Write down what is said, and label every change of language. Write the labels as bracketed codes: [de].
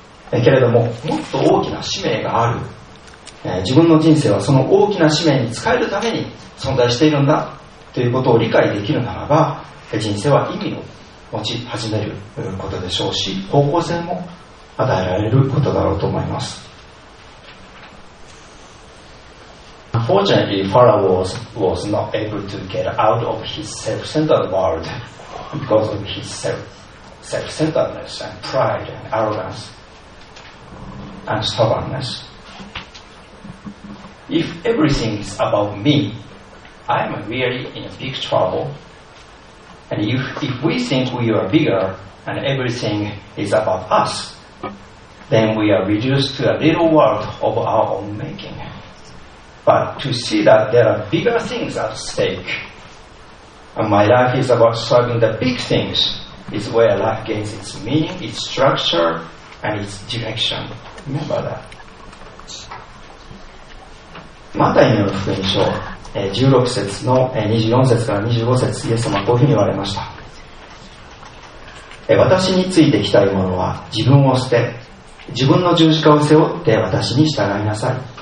[ja] けれどももっと大きな使命がある、自分の人生はその大きな使命に仕えるために存在しているんだということを理解できるならば、人生は意味を持ち始めることでしょうし、方向性も与えられることだろうと思います。 [en] Unfortunately, Pharaoh was not able to get out of his self-centered world because of his self-centeredness and pride and arrogance and stubbornness. If everything is about me, I am really in big trouble. And if we think we are bigger and everything is about us, then we are reduced to a little world of our own making. But to see that there are bigger things at stake, and my life is about serving the big things, is where life gains its meaning, its structure, and its direction. Remember that. [ja] マタイの福音書16節の24節から25節、イエス様はこういうふうに言われました。私についてきたい者は自分を捨て、自分の十字架を背負って私に従いなさい。